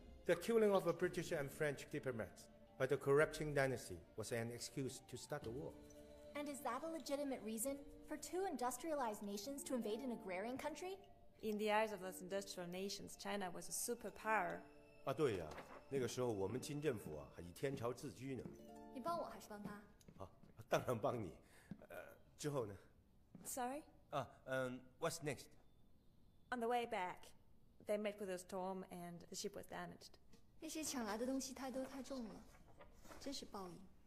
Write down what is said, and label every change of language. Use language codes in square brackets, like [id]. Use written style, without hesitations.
[en] The killing of a British and French diplomats by the corrupting dynasty was an excuse to start the war. And is that a legitimate reason for two industrialized nations to invade an agrarian country? In the eyes of those industrial nations, China was a superpower. [zh] 啊，对呀，那个时候我们清政府啊还以天朝自居呢。你帮我还是帮他？啊，当然帮你。之后呢？ [en] Sorry? What's next? On the way back. They met with a storm, and the ship was damaged. [zh] 那些抢来的东西太多太重了，真是报应。